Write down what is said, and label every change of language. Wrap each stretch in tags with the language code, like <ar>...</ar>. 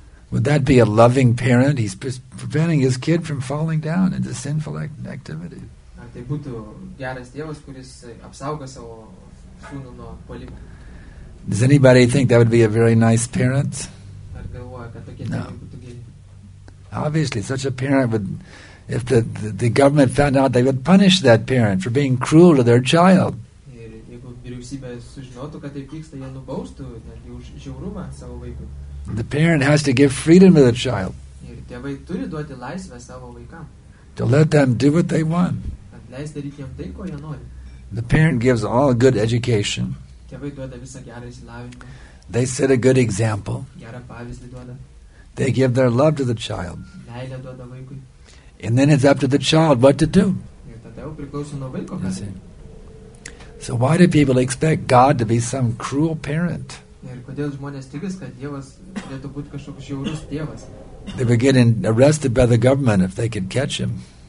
<en>Would that be a loving parent? He's preventing his kid from falling down into sinful activities.</en> <lt>tai būtų geras Dievas, kuris apsaugo savo sūnų nuo palikų.</lt> <en>Does anybody think that would be a very nice parent?</en> <lt>Ar galvoja, kad tokie tėvai būtų geri?</lt> <en>Obviously, such a parent would, if the government found out, they would punish that parent for being cruel to their child.</en> <lt>Ir jeigu vyriausybė sužinotų, kad taip vyksta, jie nubaustų netgi už žiaurumą savo vaikų.</lt> <en>The parent has to give freedom to the child.</en> <lt>Ir tėvai turi duoti laisvę savo vaikam.</lt> <en>To let them do what they want.</en> <lt>Atleis daryti jiem tai, ko jie nori.</lt> <en>The parent gives all a good education.</en> <lt>Tėvai duoda visą gerą išsilavinimą.</lt> <en>They set a good example.</en> <lt>Gerą pavyzdį duoda.</lt> <en>They give their love to the child.</en> <lt>Meilę duoda vaikui.</lt> <en>And then it's up to the child what to do.</en> <lt>Ir tada jau priklauso nuo vaiko, ką daryti.</lt> <en>So why do people expect God to be some cruel parent?</en> <lt>Ir kodėl žmonės tikis, kad Dievas turėtų būti kažkoks žiaurus tėvas?</lt> <en>They were getting arrested by the government if they could catch him.</en>